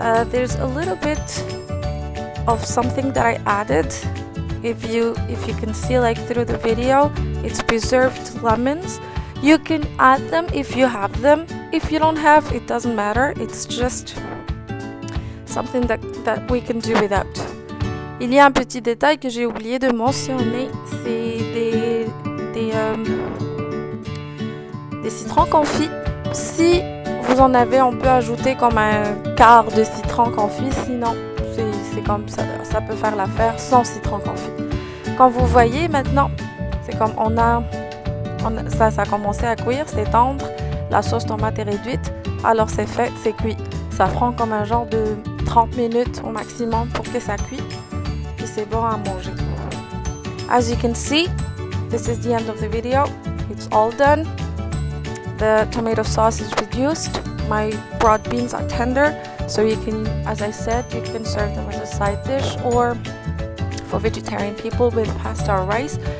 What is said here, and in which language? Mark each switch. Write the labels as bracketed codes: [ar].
[en] There's a little bit of something that I added. If you can see, like, through the video, it's preserved lemons. You can add them if you have them. If you don't have, it doesn't matter. It's just something that we can do without. [fr] Il y a un petit détail que j'ai oublié de mentionner. C'est des citrons confits. Si vous en avez, on peut ajouter comme un quart de citron confit, sinon c'est comme ça peut faire l'affaire sans citron confit. Comme vous voyez maintenant, c'est comme ça a commencé à cuire, c'est tendre, la sauce tomate est réduite, alors c'est fait, c'est cuit. Ça prend comme un genre de 30 minutes au maximum pour que ça cuit, et c'est bon à manger. [en] As you can see, this is the end of the video, it's all done. The tomato sauce is reduced. My broad beans are tender, so you can, as I said, you can serve them as a side dish or for vegetarian people with pasta or rice.